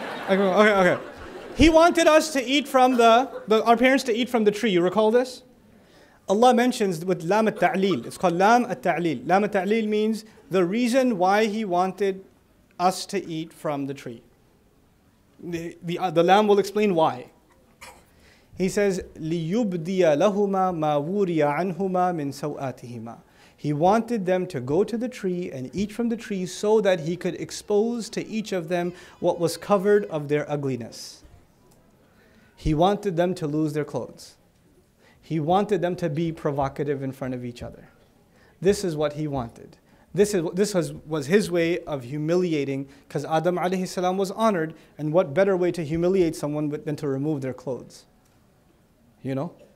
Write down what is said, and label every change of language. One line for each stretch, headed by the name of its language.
English: Okay. He wanted us to eat from our parents to eat from the tree. You recall this? Allah mentions with Lam al-Ta'lil, it's called Lam al-Ta'lil. Lam al-Ta'lil means the reason why he wanted us to eat from the tree. The Lam will explain why. He says,
Arabic: لِيُبْدِيَ لَهُمَا مَا وُرِيَ عَنْهُمَا مِن سَوْآتِهِمَا.
English: He wanted them to go to the tree and eat from the tree so that he could expose to each of them what was covered of their ugliness. He wanted them to lose their clothes. He wanted them to be provocative in front of each other. This is what he wanted. This was his way of humiliating, because Adam alayhi salam was honored, and what better way to humiliate someone than to remove their clothes? You know?